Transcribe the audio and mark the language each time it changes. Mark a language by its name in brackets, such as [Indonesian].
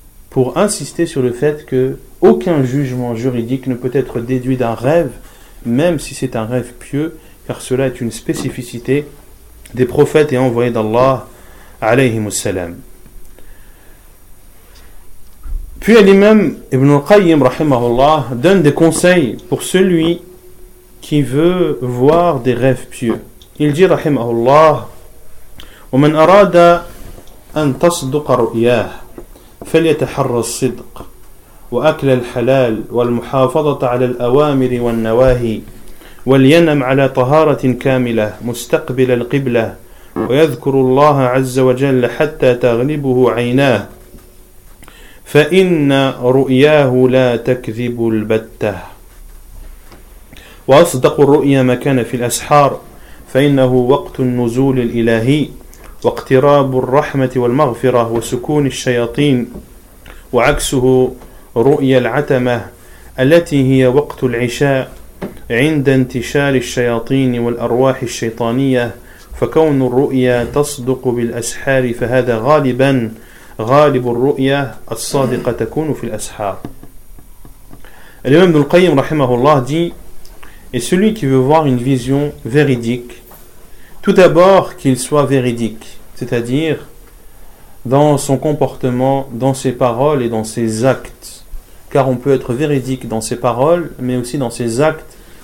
[French] pour insister sur le fait que aucun jugement juridique ne peut être déduit d'un rêve, même si c'est un rêve pieux, car cela est une spécificité des prophètes et envoyés d'Allah alayhimu salam. Puis l'imam Ibn al-Qayyim rahimahullah donne des conseils pour celui qui veut voir des rêves pieux. Il dit [Arabic] rahimahullah: ومن أراد أن تصدق رؤياه فليتحرى الصدق وأكل الحلال والمحافظة على الأوامر والنواهي ولينم على طهارة كاملة مستقبل القبلة ويذكر الله عز وجل حتى تغلبه عيناه فإن رؤياه لا تكذب البتة وأصدق الرؤيا ما كان في الأسحار فإنه وقت النزول الإلهي واقتراب الرحمة والمغفرة وسكون الشياطين وعكسه رؤيا العتمة التي هي وقت العشاء عند انتشال الشياطين والأرواح الشيطانية فكون الرؤيا تصدق بالأسحار فهذا غالبا غالب الرؤيا الصادقة تكون في الأسحار. الإمام ابن القيم رحمه الله [French] dit: et celui qui veut voir une vision véridique, tout d'abord qu'il soit véridique, c'est-à-dire dans son comportement, dans ses paroles et dans ses actes, car on peut être véridique dans ses paroles mais aussi dans ses actes,